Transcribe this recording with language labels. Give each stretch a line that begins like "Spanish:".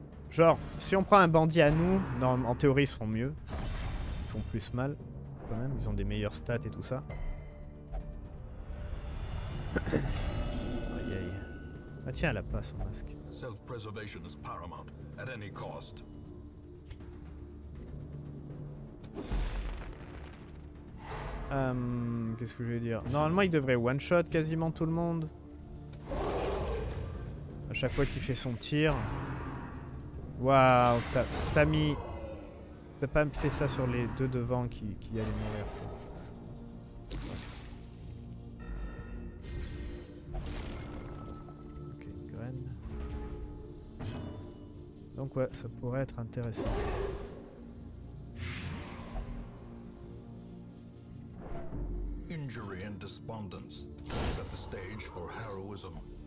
French: Genre si on prend un bandit à nous non, en théorie ils seront mieux, ils font plus mal quand même, ils ont des meilleures stats et tout ça. Aïe aïe. Ah tiens, elle a pas son masque.
English: Self-preservation is paramount at any cost.
French: Qu'est-ce que je vais dire, normalement il devrait one shot quasiment tout le monde à chaque fois qu'il fait son tir. Waouh, t'as pas fait ça sur les deux devants qui allaient mourir. Ok, graine. Donc ouais, ça pourrait être intéressant.
English: Injury and despondence. Set the stage for heroism.